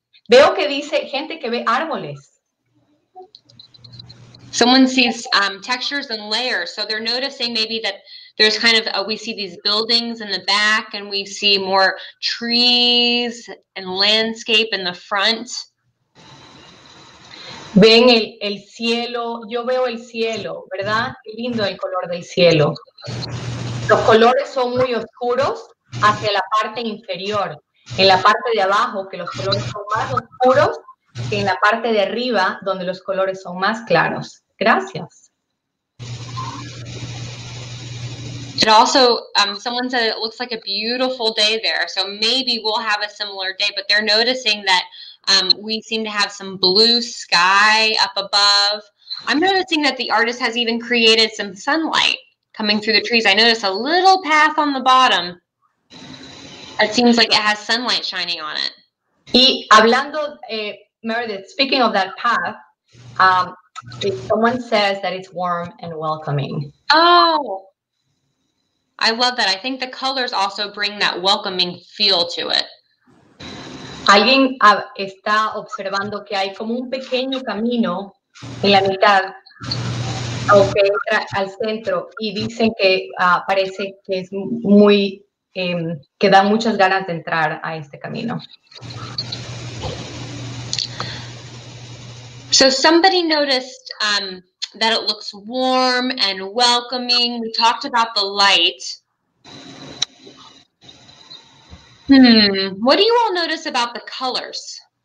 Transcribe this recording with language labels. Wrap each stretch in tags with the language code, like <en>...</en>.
<en>Veo que dice gente que ve árboles. Someone sees textures and layers. So they're noticing maybe that there's kind of, we see these buildings in the back and we see more trees and landscape in the front.</en> <es>Ven el cielo, yo veo el cielo, ¿verdad? Qué lindo el color del cielo. Los colores son muy oscuros hacia la parte inferior. En la parte de abajo, que los colores son más oscuros, que en la parte de arriba, donde los colores son más claros. Gracias.</es> <en>It also, someone said it looks like a beautiful day there, so maybe we'll have a similar day, but they're noticing that we seem to have some blue sky up above. I'm noticing that the artist has even created some sunlight coming through the trees. I notice a little path on the bottom. It seems like it has sunlight shining on it.</en> <es>Y hablando,</es> <en>Meredith, speaking of that path, someone says that it's warm and welcoming. Oh, I love that. I think the colors also bring that welcoming feel to it.</en> <es>Alguien está observando que hay como un pequeño camino en la mitad o que entra al centro y dicen que parece que es muy, que da muchas ganas de entrar a este camino.</es> <en>So somebody noticed that it looks warm and welcoming. We talked about the light. What do you all notice about the colors?</en>